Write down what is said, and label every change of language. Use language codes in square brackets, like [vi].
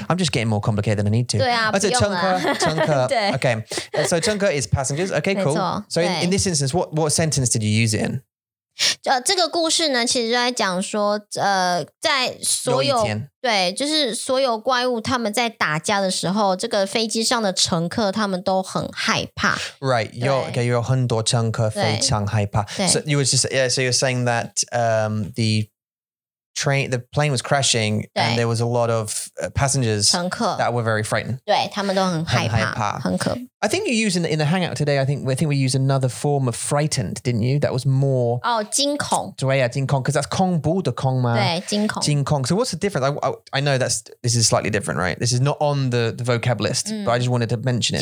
[en] I'm just getting more complicated than I need to. [zh] 对啊，不用啦。乘客。 [en] 对。Okay. So 乘客 is passengers. Okay, cool. [zh] 没错。 [en] So in this instance, what sentence did you use it in? [zh] 这个故事呢其实就在讲说在所有对就是所有怪物他们在打架的时候这个飞机上的乘客他们都很害怕 [en] Right, [zh] 有很多乘客非常害怕 [en] So you were just, yeah, so you're saying that the plane was crashing and there was a lot of passengers [zh] 乘客 [en] that were very frightened [zh] 对他们都很害怕 很可怕 [en] I think you used in the hangout today, I think we used another form of frightened, didn't you? That was more... [zh] Oh, 惊恐. 对啊,惊恐, [en] because that's [zh] 恐怖的恐吗? 对,惊恐. [en] 惊恐.So what's the difference? I know this is slightly different, right? This is not on the vocab list, but I just wanted to mention it.